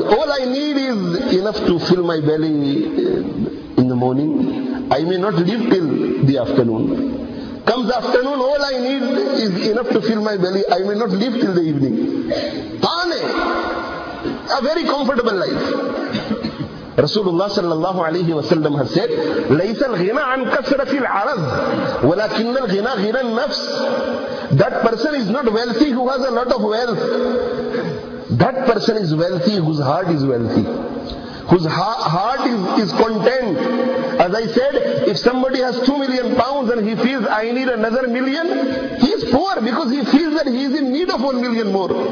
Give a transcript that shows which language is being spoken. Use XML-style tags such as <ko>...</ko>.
<en>All I need is enough to fill my belly in the morning. I may not live till the afternoon. Comes afternoon, all I need is enough to fill my belly. I may not live till the evening. Tane, a very comfortable life. Rasulullah sallallahu alayhi wa sallam has said,</en> <ar>لَيْسَ الْغِنَى عَنْ كَسْرَةِ الْعَرَضِ وَلَكِنَّ الْغِنَى غِنَى النَّفْسِ.</ar> <en>That person is not wealthy who has a lot of wealth. That person is wealthy whose heart is wealthy, whose heart is content. As I said, if somebody has 2 million pounds and he feels I need another million, he is poor because he feels that he is in need of 1 million more.</en>